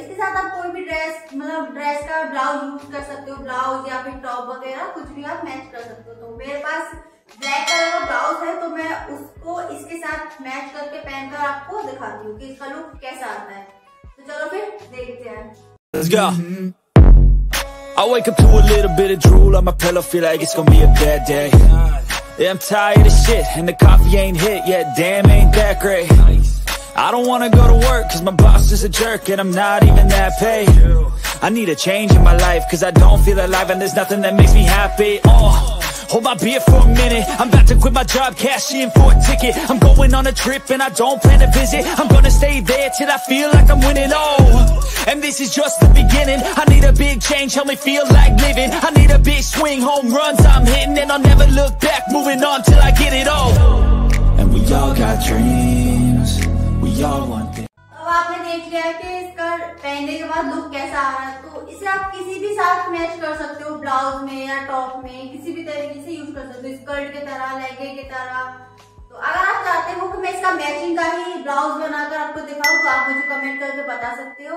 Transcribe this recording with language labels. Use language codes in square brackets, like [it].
[hi] इसके साथ आप कोई भी ड्रेस, मतलब ड्रेस का ब्लाउज यूज कर सकते हो, ब्लाउज या फिर टॉप वगैरह कुछ भी आप मैच कर सकते हो। तो मेरे पास ब्लैक कलर का ब्लाउज है, तो मैं उसको इसके साथ मैच करके पहनकर आपको दिखाती हूँ कि इसका लुक कैसा आता है। चलो फिर देखते हैं। [en] Let's go. I wake up to a little bit of drool on my pillow, feel like it's gonna be a bad day. Yeah, I'm tired of shit and the coffee ain't hit yet, damn ain't that great. I don't wanna go to work cause my boss is a jerk and I'm not even that paid. I need a change in my life cause I don't feel alive and there's nothing that makes me happy. Hold my beer for a minute. I'm about to quit my job, cash in for a ticket. I'm going on a trip and I don't plan to visit. I'm gonna stay there till I feel like I'm winning all. And this is just the beginning. I need a big change, help me feel like living. I need a big swing, home runs I'm hitting. And I'll never look back, moving on till I get it all. And we all got dreams, we all want things. [hi] आपने देख लिया है कि इसका पहनने के बाद look कैसा आ रहा है। तो इसे आप किसी भी साथ मैच कर सकते हो, ब्लाउज में या टॉप में किसी भी तरीके से यूज कर सकते हो, स्कर्ट के तरह, लहंगे के तरह। तो अगर आप चाहते हो कि मैं इसका मैचिंग का ही ब्लाउज बनाकर आपको दिखाऊं तो आप मुझे कमेंट करके बता सकते हो।